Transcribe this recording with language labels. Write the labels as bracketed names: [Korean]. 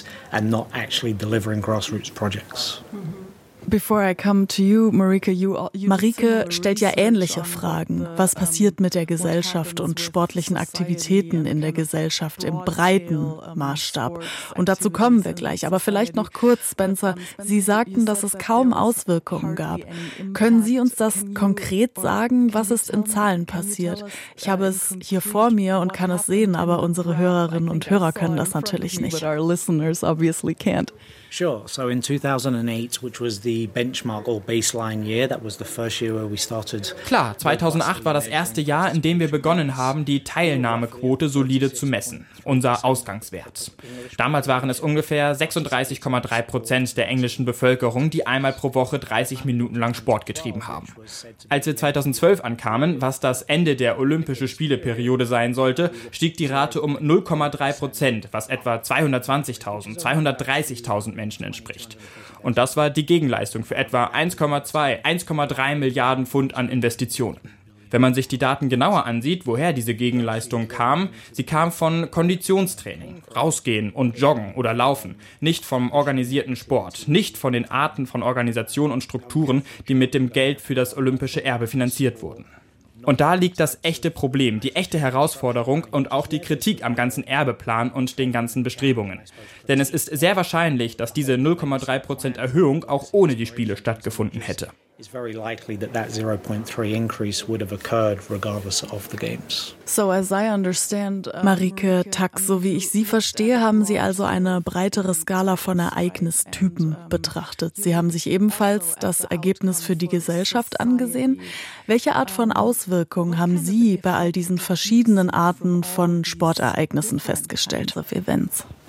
[English] And not actually delivering grassroots projects. Before I come to you, Marike, [German] Marike stellt ja ähnliche Fragen. Was passiert mit der Gesellschaft und sportlichen Aktivitäten in der Gesellschaft im breiten Maßstab? Und dazu kommen wir gleich. Aber vielleicht noch kurz, Spencer. Sie sagten, dass es kaum Auswirkungen gab. Können Sie uns das konkret sagen? Was ist in Zahlen passiert? Ich habe es hier vor mir und kann es sehen, aber unsere Hörerinnen und Hörer können das natürlich nicht. [English] But our listeners obviously can't. Sure. So in 2008, which was the benchmark or baseline year, that was the first year where we started. [German] Klar, 2008 war das erste Jahr, in dem wir begonnen haben, die Teilnahmequote solide zu messen, unser Ausgangswert. Damals waren es ungefähr 36,3% der englischen Bevölkerung, die einmal pro Woche 30 Minuten lang Sport getrieben haben. Als wir 2012 ankamen, was das Ende der Olympische Spieleperiode sein sollte, stieg die Rate um 0,3%, was etwa 220.000, 230.000 Menschen entspricht. Und das war die Gegenleistung für etwa 1,2, 1,3 Milliarden Pfund an Investitionen. Wenn man sich die Daten genauer ansieht, woher diese Gegenleistung kam, sie kam von Konditionstraining, rausgehen und joggen oder laufen, nicht vom organisierten Sport, nicht von den Arten von Organisation und Strukturen, die mit dem Geld für das olympische Erbe finanziert wurden. Und da liegt das echte Problem, die echte Herausforderung und auch die Kritik am ganzen Erbeplan und den ganzen Bestrebungen. Denn es ist sehr wahrscheinlich, dass diese 0,3% Erhöhung auch ohne die Spiele stattgefunden hätte. [English] It's very likely that that 0.3 increase would have occurred regardless of the games. So as I understand, [German] Marieke Tack, so wie ich Sie verstehe, haben Sie also eine breitere Skala von Ereignistypen betrachtet. Sie haben sich ebenfalls das Ergebnis für die Gesellschaft angesehen. Welche Art von Auswirkungen haben Sie bei all diesen verschiedenen Arten von Sportereignissen festgestellt, auf Events?